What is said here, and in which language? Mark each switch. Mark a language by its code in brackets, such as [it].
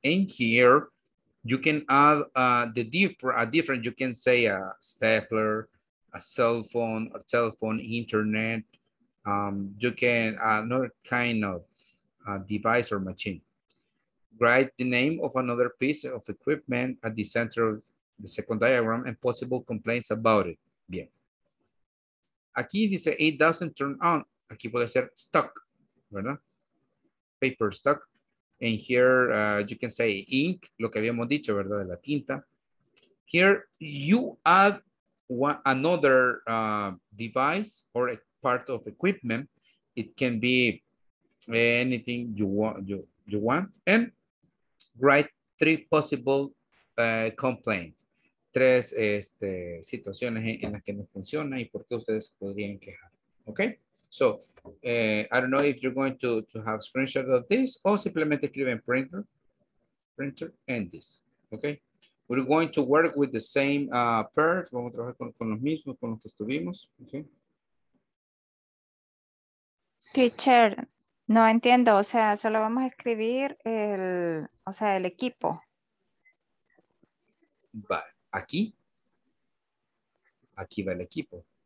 [en] And here, you can add a different, you can say a stapler, a cell phone, internet. You can add another kind of device or machine. Write the name of another piece of equipment at the center of the second diagram and possible complaints about it. [es] Bien. Aquí dice, [en] it doesn't turn on. [es] Aquí puede ser stuck, ¿verdad? [en] Paper stuck. And here you can say ink, [es] lo que habíamos dicho, ¿verdad? De la tinta. [en] Here you add another device or a part of equipment. It can be anything you want. And write three possible complaints. [es] Tres situaciones en las que no funciona y por qué ustedes podrían quejar. [en] Okay? So, I don't know if you're going to have screenshot of this or [es] simplemente escriben [en] printer and this. Okay? We're going to work with the same pairs. [es] Vamos a trabajar con los mismos, con los que estuvimos. [en] Okay? [es] Teacher, no entiendo. O sea, solo vamos a escribir el equipo. Vale. Aquí va el equipo.